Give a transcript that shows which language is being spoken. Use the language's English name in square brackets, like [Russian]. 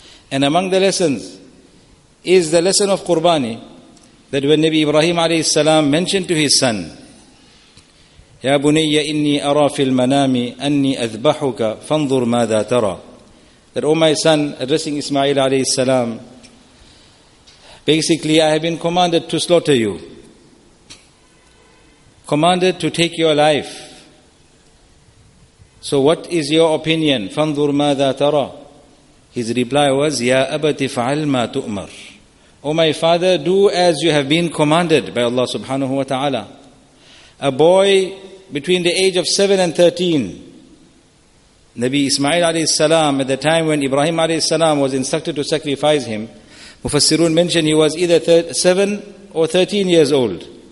[English] And among the lessons is the lesson of Qurbani, that when Nabi Ibrahim alayhi salam mentioned to his son, [Arabic] يا بني إني أرى في المنام أني أذبحك فانظر ماذا ترى. [English] That, oh my son, addressing Ismail alayhi salam, basically I have been commanded to slaughter you, commanded to take your life. So what is your opinion? [Arabic] فانظر ماذا ترى. [English] His reply was: [Arabic] يا أبت فعل ما تؤمر. [English] Oh my father, do as you have been commanded by Allah subhanahu wa ta'ala. A boy between the age of 7 and 13, Nabi Ismail alayhi salam, at the time when Ibrahim alayhi salam was instructed to sacrifice him, Mufassirun mention he was either 7 or 13 years old.